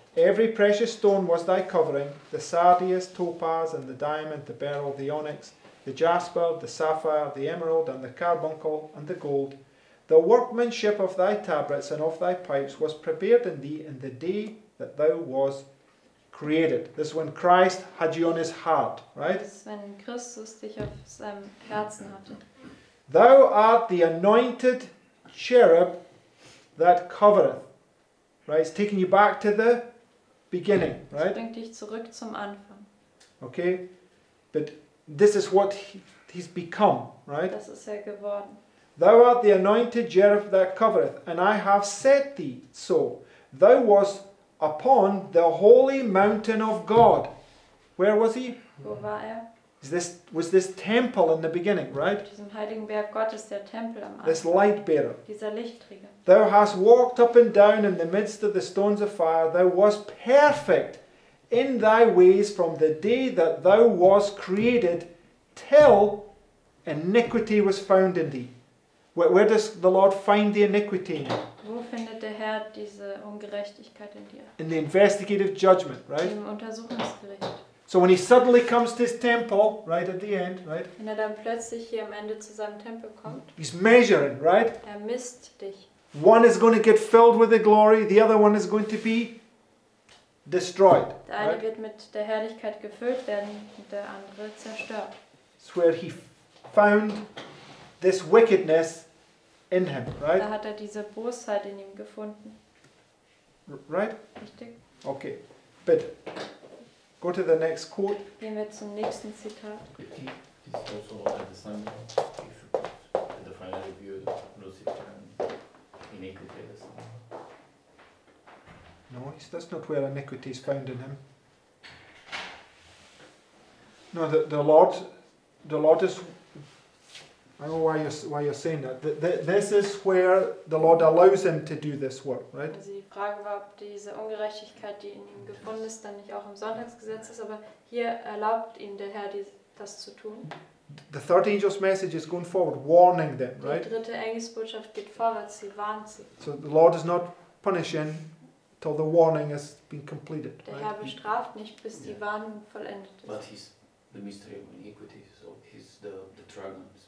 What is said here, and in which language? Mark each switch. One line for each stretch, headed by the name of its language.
English: Every precious stone was thy covering, the sardius, topaz, and the diamond, the beryl, the onyx, the jasper, the sapphire, the emerald, and the carbuncle, and the gold. The workmanship of thy tablets and of thy pipes was prepared in thee in the day that thou was created. This is when Christ had you on his heart, right?
German: Das ist, wenn Christus dich auf seinem Herzen hatte.
English: Thou art the anointed cherub that covereth. Right, it's taking you back to the beginning, right?
German: Bringt dich zurück zum Anfang.
English: Okay, but this is what he's become, right?
German: Das ist er geworden.
English: Thou art the anointed cherub that covereth, and I have set thee so. Thou was upon the holy mountain of God. Where was he?
German: Wo war er?
English: Was this temple in the beginning, right?
German: Diesem heiligen Berg Gottes, der Tempel am Anfang.
English: This light bearer.
German: Dieser Lichtträger.
English: Thou hast walked up and down in the midst of the stones of fire. Thou was perfect in thy ways from the day that thou was created till iniquity was found in thee. Where does the Lord find the iniquity in?
German: Wo findet der Herr diese Ungerechtigkeit in dir?
English: In the investigative judgment, right?
German: Im Untersuchungsgericht.
English: So when he suddenly comes to his temple, right at the end, right?
German: Wenn er dann plötzlich hier am Ende zu seinem Tempel kommt.
English: He's measuring, right?
German: Er misst dich.
English: One is going to get filled with the glory, the other one is going to be destroyed.
German: Der eine wird mit der Herrlichkeit gefüllt werden, der andere zerstört.
English: It's where he found this wickedness in him, right?
German: Da hat er diese Bosheit in ihm gefunden.
English: Right?
German: Richtig.
English: Okay, bitte. Go to the next quote.
German: Gehen wir zum nächsten Zitat.
English: He's also at the same time, at the final review, Lucifer and iniquity. No, that's not where iniquity is found in him. No, the Lord is... I don't know why you're saying that. This is where the Lord allows him to do this work, right?
German: Also die Frage war, ob diese Ungerechtigkeit, die in ihm gefunden ist, dann nicht auch im Sonntagsgesetz ist, aber hier erlaubt ihm der Herr, das zu tun.
English: The third angel's message is going forward, warning them, right?
German: Die dritte Engelsbotschaft geht vorwärts, sie warnt sie.
English: So the Lord is not punishing till the warning has been completed,
German: der
English: right?
German: Der Herr bestraft nicht, bis die Warnung vollendet ist.
English: But he's the mystery of iniquity, so he's the dragon.